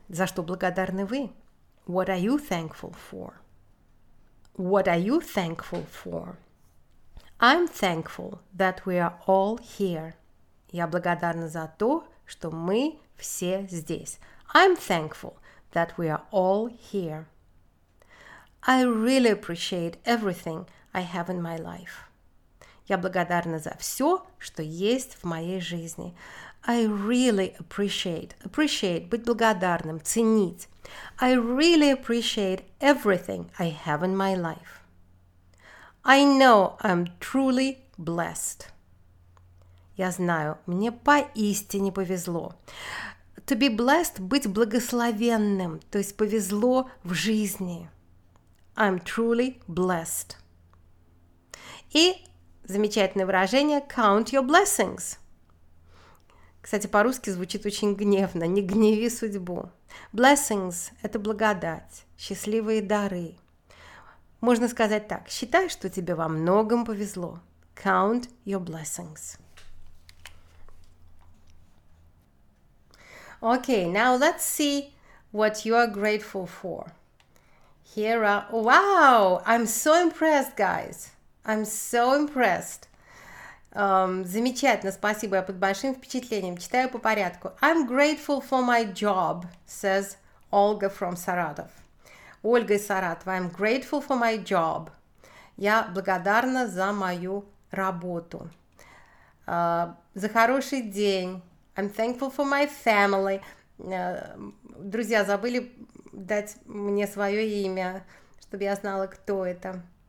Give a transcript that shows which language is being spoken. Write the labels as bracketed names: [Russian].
[Russian] За что благодарны вы? [English] What are you thankful for? What are you thankful for? I'm thankful that we are all here. [Russian] Я благодарна за то, что мы все здесь. [English] I'm thankful that we are all here. I really appreciate everything I have in my life. [Russian] Я благодарна за все, что есть в моей жизни. [English] I really appreciate. Appreciate – [Russian] быть благодарным, ценить. [English] I really appreciate everything I have in my life. I know I'm truly blessed. [Russian] Я знаю, мне поистине повезло. [English] To be blessed [Russian] – быть благословенным, то есть повезло в жизни. [English] I'm truly blessed. [Russian] И замечательное выражение [English] «count your blessings». [Russian] Кстати, по-русски звучит очень гневно, не гневи судьбу. Blessings – это благодать, счастливые дары. Можно сказать так, считай, что тебе во многом повезло. [English] Count your blessings. Okay, now let's see what you are grateful for. Here are... Wow, I'm so impressed, guys. I'm so impressed. [Russian] Замечательно, спасибо, я под большим впечатлением. Читаю по порядку. [English] I'm grateful for my job, says Olga from Saratov. Ольга из Саратова. I'm grateful for my job. [Russian] Я благодарна за мою работу. За хороший день. [English] I'm thankful for my family. [Russian] Друзья, забыли дать мне свое имя, чтобы я знала, кто это.